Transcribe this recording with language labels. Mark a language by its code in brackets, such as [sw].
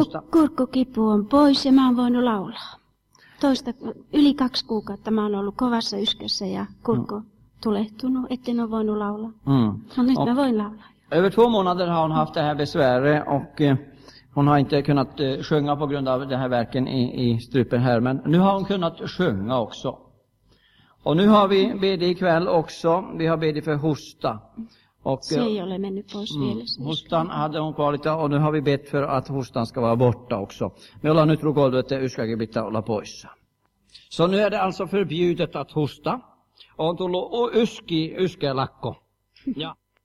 [fi] Kurkkukipu on pois ja mä oon voinut laulaa. Toista, yli kaksi kuukautta mä oon ollut kovassa yskässä ja kurkku tulehtunut, etten ole voinut laulaa. Nyt mä voin laulaa. [sv] Över två månader har hon haft det här besväret och hon har inte kunnat sjunga på grund av det här verken i strupen här. Men nu har hon kunnat sjunga också. Och nu har vi bedit ikväll också. Vi har bedit för hosta. [fi] Och, se ei ole mennyt pois vielä. [sv] Hostan hade hon kvar lite, och nu har vi bett för att hostan ska vara borta också. [fi] Me ollaan nyt rukoiltu, että yskäkin pitää olla poissa. [sv] Så nu är det alltså förbjudet att hosta. Och hon [fi] tullut yskälakko.